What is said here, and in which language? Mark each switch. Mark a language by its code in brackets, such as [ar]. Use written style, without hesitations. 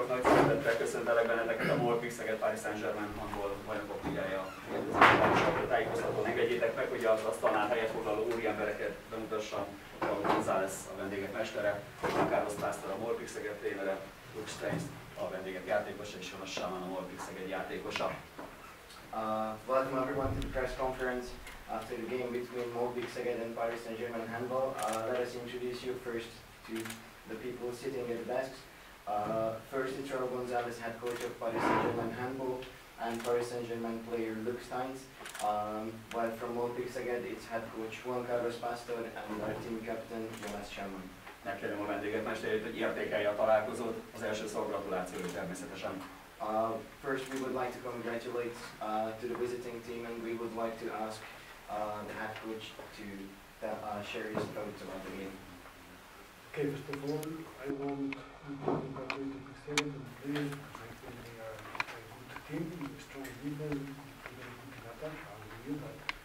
[hu] szeretettel köszöntelek benneteket a Morphix Szeged Paris Saint-Germain hangol bajnokok ligája kérdezőjében. Tájékoztatóan engedjétek meg, hogy az asztalnál helyet foglaló úriembereket bemutassam. Paul González a vendégek mestere, Juan Carlos Pásztor a Morphix Szeged trénere, Luke Steins a vendégek játékosa és Jonas Sámán a Morphix Szeged játékosa. [en] Welcome everyone to the press conference after the game between Morphix Szeged and Paris Saint-Germain handball. Let us introduce you first to the people sitting at the desks. First, it's Raul González, head coach of Paris Saint-Germain handball, and Paris Saint-Germain player Luke Steins. While from Morphix Szeged, it's head coach Juan Carlos Pásztor and our team captain Jonas Sámán. [hu] Megkérdem a vendéget mestereit, hogy értékelje a találkozót. Az első szó gratulációi természetesen. [en] First, we would like to congratulate to the visiting team, and we would like to ask the head coach to share his thoughts about the game. Okay, first of all, I want to congratulate the president and the players. I think they are a good team, a strong leader, a very good data, and we knew that.